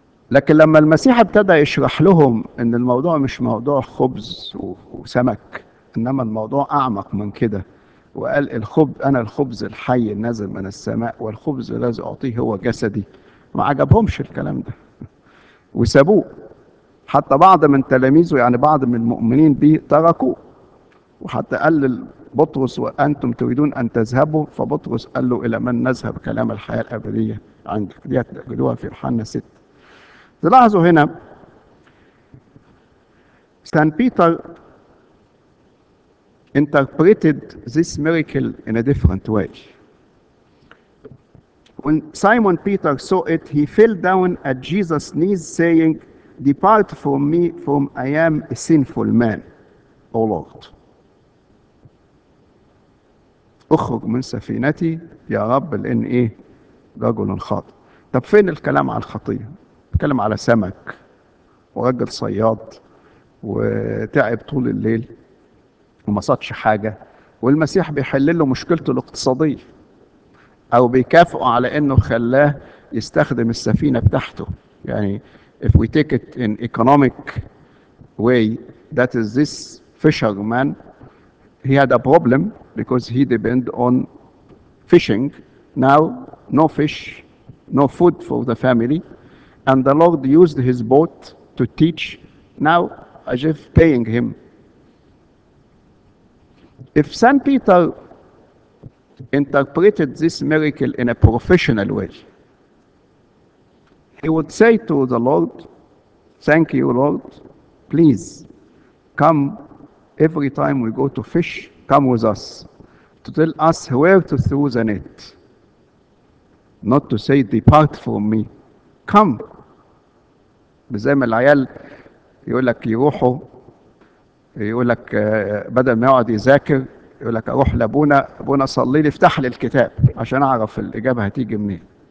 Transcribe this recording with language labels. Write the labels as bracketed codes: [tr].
[ar] لكن لما المسيح ابتدى يشرح لهم أن الموضوع مش موضوع خبز وسمك، إنما الموضوع أعمق من كده، وقال أنا الخبز الحي النازل من السماء، والخبز الذي أعطيه هو جسدي، ما عجبهمش الكلام ده وسابوه. حتى بعض من تلاميذه، يعني بعض من المؤمنين به، تركوه. وحتى قال لبطرس: وأنتم تريدون أن تذهبوا؟ فبطرس قال له: إلى من نذهب؟ كلام الحياة الأبدية عندك. دي هتجدوها في يوحنا 6. تلاحظوا هنا [en] سان Peter interpreted this miracle in a different way. When Simon Peter saw it, he fell down at Jesus' knees, saying, "Depart from me, for I am a sinful man, O Lord." [ar] اخرج من سفينتي يا رب، لان ايه؟ رجل خاطئ. طب فين الكلام على الخطيه؟ اتكلم على سمك ورجل صياد وتعب طول الليل وما صادش حاجة، والمسيح بيحل له مشكلته الاقتصادية، أو بيكافئه على إنه خلاه يستخدم السفينة بتاعته. [en] يعني if we take it in economic way, that is, this fisherman, he had a problem because he depend on fishing. Now no fish, no food for the family, and the Lord used his boat to teach, now as if paying him. If St. Peter interpreted this miracle in a professional way, he would say to the Lord, "Thank you, Lord. Please come every time we go to fish come with us to tell us where to throw the net, not to say depart from me. Come. [ar] زي ما العيال يقول لك يروحوا يقول لك بدل ما يقعد يذاكر يقول لك اروح لابونا ابونا صلي لي افتح لي الكتاب عشان اعرف الاجابه هتيجي منين.